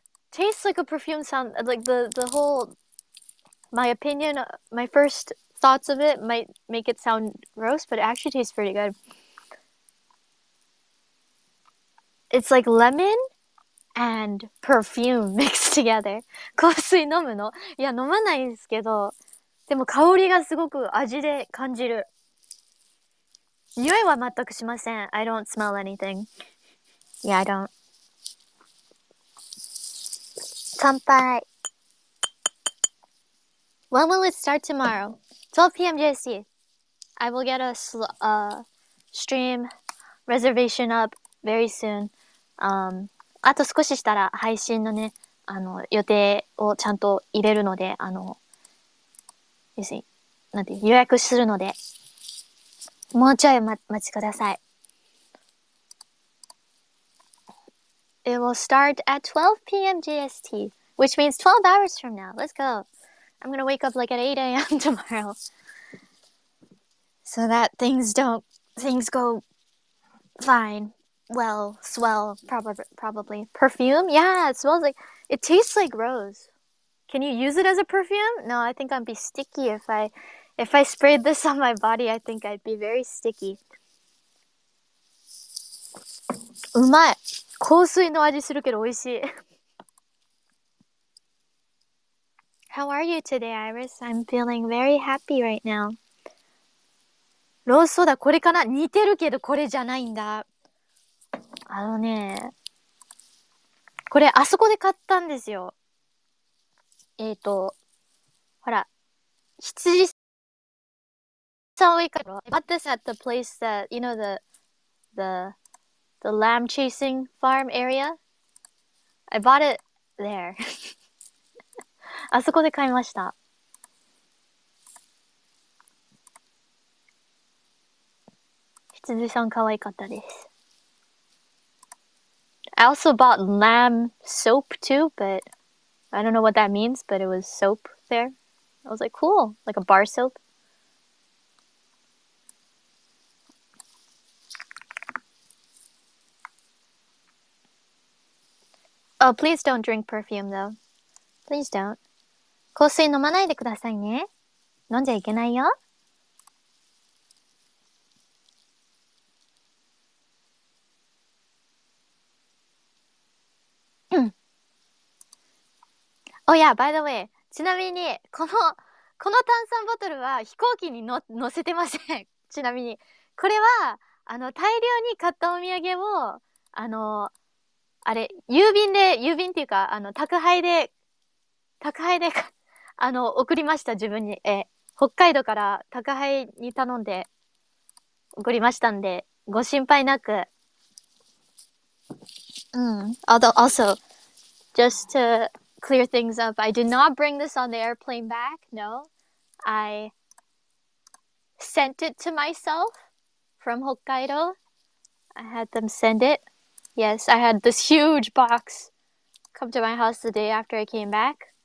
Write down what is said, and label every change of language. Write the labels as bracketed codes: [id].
[en] Tastes like a perfume sound. Like the whole, my opinion, my first thoughts of it might make it sound gross, but it actually tastes pretty good. It's like lemon. And perfume mixed together. [ja] 香水飲むの？いや、飲まないですけど、でも香りがすごく味で感じる。匂いは全くしません。 [en] I don't smell anything. Yeah, I don't. [ja] 乾杯。 [en] When will it start tomorrow? 12 PM JST. I will get a stream reservation up very soon. [ja] あと少ししたら配信のね、予定をちゃんと入れるので、なんて予約するので、もうちょい待ちください。 [en] It will start at 12 p.m. JST, which means 12 hours from now. Let's go. I'm gonna wake up like at 8 a.m. tomorrow, so that things go fine. Well, swell, probably. Perfume? Yeah, it smells like, it tastes like rose. Can you use it as a perfume? No, I think I'd be sticky if I sprayed this on my body. I think I'd be very sticky. [ja] Umai! 香水の味するけど美味しい。 [en] How are you today, Iris? I'm feeling very happy right now. [ja] ローソーダ、これかな？似てるけど、これじゃないんだ。あのね、これ、あそこで買ったんですよ。ほら、羊さん多いから。 [en] I bought this at the place that, you know, the lamb chasing farm area. I bought it there. [ja] あそこで買いました。羊さん可愛かったです。 [en] I also bought lamb soap too, but I don't know what that means, but it was soap there. I was like, cool, like a bar soap. Oh, please don't drink perfume though. Please don't. [ja] 香水飲まないでくださいね。飲んじゃいけないよ。 [en] Oh yeah, by the way, [ja] ちなみに、この炭酸ボトルは飛行機に乗せてません。ちなみに。これは、大量に買ったお土産を、あれ、郵便っていうか、宅配で、送りました、自分に。北海道から宅配に頼んで、送りましたんで、ご心配なく。 [en] Although, also, just to clear things up, I did not bring this on the airplane back, no. I sent it to myself from Hokkaido. I had them send it. Yes, I had this huge box come to my house the day after I came back.